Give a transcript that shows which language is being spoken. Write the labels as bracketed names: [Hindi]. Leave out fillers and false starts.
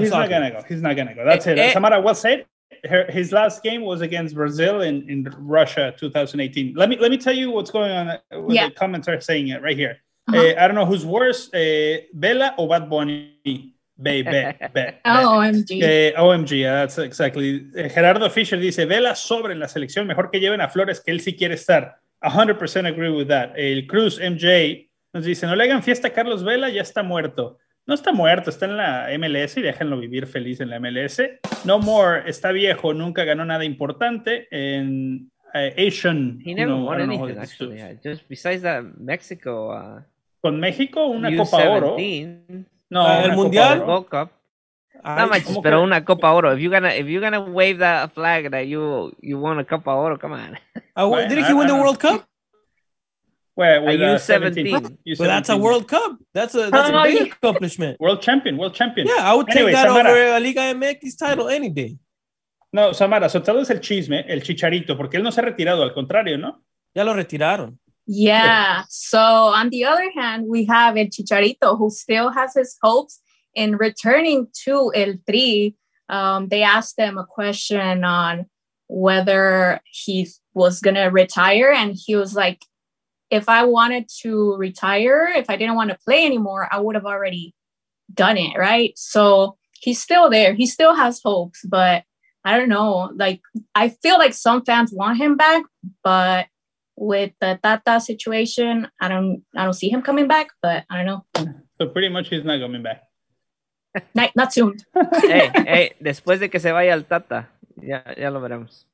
[English] He's not gonna go. That's it. Samara, well said. His last game was against Brazil in Russia 2018. Let me tell you what's going on with the comments are saying it right here. Uh-huh. I don't know who's worse, Vela or Bad Bunny. OMG, that's exactly. [Spanish] Gerardo Fisher dice, Vela sobre en la selección, mejor que lleven a Flores, que él sí quiere estar. [English] 100% agree with that. [Spanish] El Cruz MJ nos dice, no le hagan fiesta a Carlos Vela, ya está muerto. No está muerto, está en la MLS y déjenlo vivir feliz en la MLS. [English] No more, [Spanish] está viejo, nunca ganó nada importante. [English] Asian. He never won anything, actually. Just besides that, Mexico. [Spanish] Con México, una Copa Oro. No, el Mundial. [English] World Cup. Not much, but okay. [Spanish] Una Copa Oro. [English] If you're gonna wave that flag that you won a Copa Oro, come on. Didn't he win the World Cup? Wait, you 17. Well, that's a World Cup. That's a big accomplishment. World champion. Yeah, I would take that Samara. Over a Liga MX title any day. No, Samara, so tell us [Spanish] el chisme, el chicharito, porque él no se ha retirado, al contrario, ¿no? Ya lo retiraron. [English] Yeah, so on the other hand, we have el Chicharito, who still has his hopes in returning to El Tri. They asked him a question on whether he was going to retire. And he was like, if I wanted to retire, if I didn't want to play anymore, I would have already done it, right? So he's still there. He still has hopes, but I don't know. Like, I feel like some fans want him back, but with the Tata situation, I don't see him coming back, but I don't know. So pretty much he's not coming back. Not soon. [Spanish] hey, después de que se vaya el Tata, ya lo veremos.